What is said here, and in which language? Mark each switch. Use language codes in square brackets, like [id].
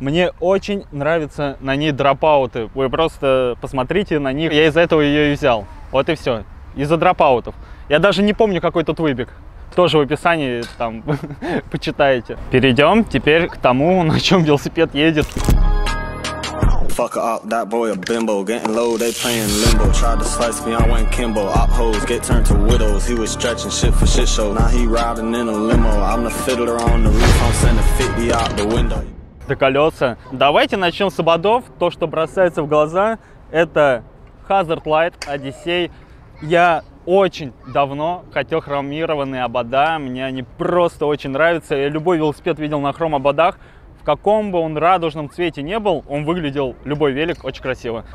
[ru] Мне очень нравятся на ней дропауты. Вы просто посмотрите на них. Я из-за этого ее и взял. Вот и все. Из-за дропаутов. Я даже не помню, какой тут выбег. Тоже в описании там почитаете. Перейдем теперь к тому, на чем велосипед едет. [en] Fuck up, that boy a bimbo, getting low, they playing limbo. Tried to slice me, I went Kimbo. Op hoes get turned to widows. He was stretching shit for shit show. Now he riding in a limo. I'm the fiddler on the roof, I'm sending 50 out the window. [ru] Да, колеса. Давайте начнем с ободов. То, что бросается в глаза, это Hazard Light Odyssey. Я очень давно хотел хромированные обода. Мне они просто очень нравятся. Я любой велосипед видел на хром ободах. В каком бы он радужном цвете не был, он выглядел, любой велик, очень красиво.